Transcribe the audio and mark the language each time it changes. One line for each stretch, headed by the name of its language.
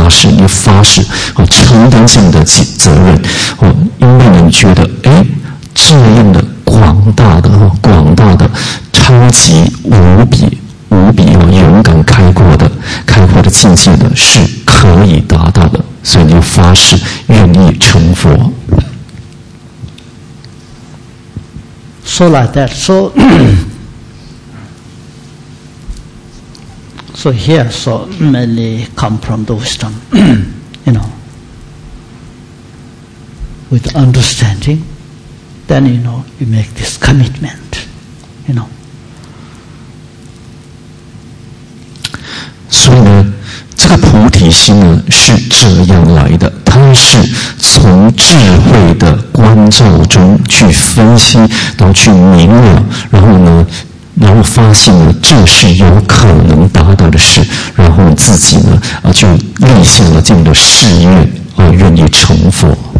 Chinese: 你发誓，承担这样的责任，因为你觉得，这样的广大的，超级无比勇敢开阔的境界的，是可以达到的，所以你就发誓，愿意成佛。
English: So like that, so, So here, so many come from the wisdom, you know, with understanding, then, you know, you make this commitment, you know.
Chinese: 所以呢，这个菩提心呢是这样来的，它是从智慧的观照中去分析，然后去明了，然后发现了这是有可能达到的事，然后自己呢就立下了这样的誓愿愿意成佛。